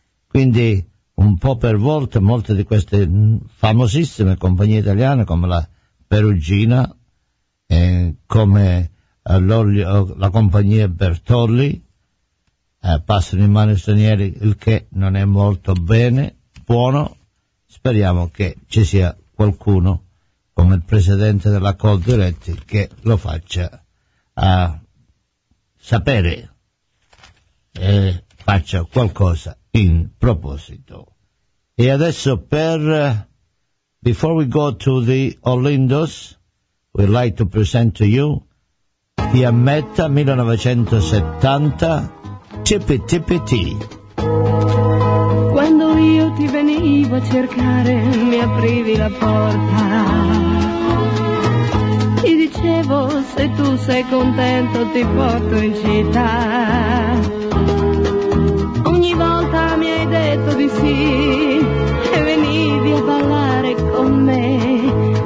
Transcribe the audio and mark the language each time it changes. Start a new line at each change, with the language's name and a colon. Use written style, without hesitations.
Italian: Quindi, un po' per volta, molte di queste famosissime compagnie italiane, come la Perugina, come l'olio, la compagnia Bertolli, passano in mani stranieri, il che non è molto bene, buono. Speriamo che ci sia qualcuno, come il presidente della Coldiretti, che lo faccia sapere e faccia qualcosa in proposito. E adesso
English: before we go to the Olindos, we'd like to present to you Fiammetta 1970, Tippi Tippi T.
Italian: Quando io ti venivo a cercare, mi aprivi la porta. Ti dicevo, se tu sei contento, ti porto in città. Ogni volta mi hai detto di sì, e venivi a ballare con me.